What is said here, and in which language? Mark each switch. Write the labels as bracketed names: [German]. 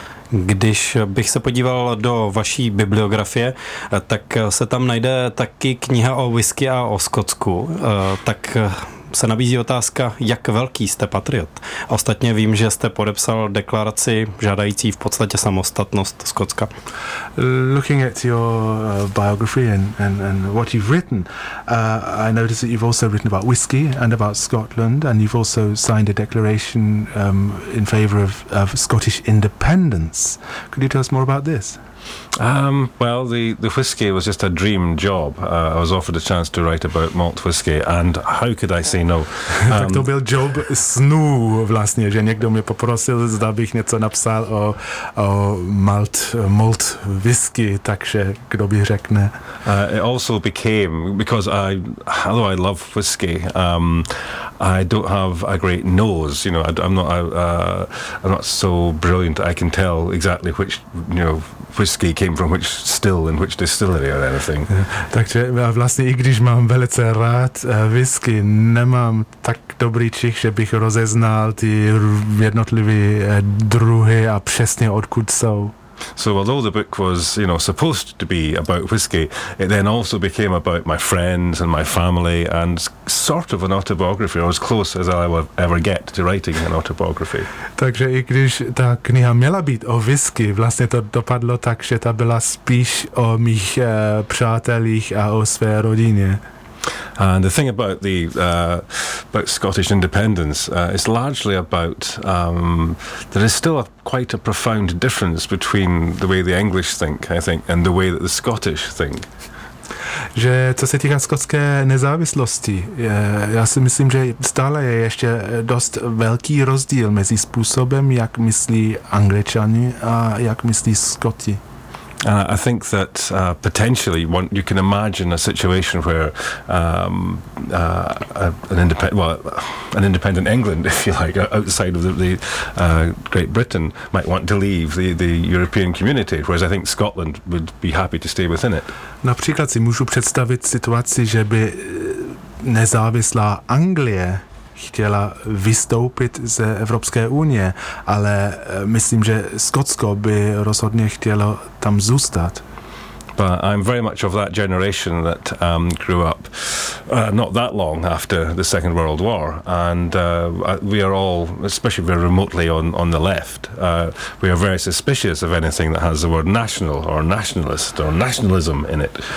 [Czech] Když bych se podíval do vaší bibliografie, tak se tam najde taky kniha o whisky a o Skotsku. Tak se nabízí otázka, jak velký jste patriot. Ostatně vím, že jste podepsal deklaraci žádající v podstatě samostatnost Skotska. [English] Looking at your biography and what you've written, I notice that you've also written about whisky and about Scotland, and you've also signed a declaration in favor of Scottish independence. Could you tell us more about this? Well, the whisky was just a dream job. I was offered a chance to write about malt whisky, and how could I say no? [Czech] Tak to byl job snů vlastně, že někdo mě poprosil, zda bych něco napsal o malt whisky, takže kdo by řekne. [English] It also became, because although I love whisky, I don't have a great nose, you know, I'm not so brilliant, I can tell exactly which, you know, whisky came from which still in which distillery or anything. [Czech] Takže vlastně i když mám velice rád whisky, nemám tak dobrý čich, že bych rozeznal ty jednotlivé druhy a přesně odkud jsou. [English] So although the book was, you know, supposed to be about whisky, it then also became about my friends and my family and sort of an autobiography, or as close as I will ever get to writing an autobiography. [Czech] Takže i když ta kniha měla být o whisky, vlastně to dopadlo tak, že ta byla spíš o mých přátelích a o své rodině. [English] And the thing about the about Scottish independence, it's largely about there is still quite a profound difference between the way the English think, I think, and the way that the Scottish think. [Czech] Že co se týká skotské nezávislosti, já si myslím, že stále je ještě dost velký rozdíl mezi způsobem, jak myslí Angličani a jak myslí Skoti. [English] I think that potentially you can imagine a situation where an independent England, if you like, outside of the Great Britain, might want to leave the European community, whereas I think Scotland would be happy to stay within it. [Czech] Například si můžu představit situaci, že by nezávislá Anglie chtěla vystoupit z Evropské unie, ale myslím, že Skotsko by rozhodně chtělo tam zůstat. [English] But I'm very much of that generation that grew up not that long after the Second World War, and we are all, especially we're remotely on the left, we are very suspicious of anything that has the word national or nationalist or nationalism in it.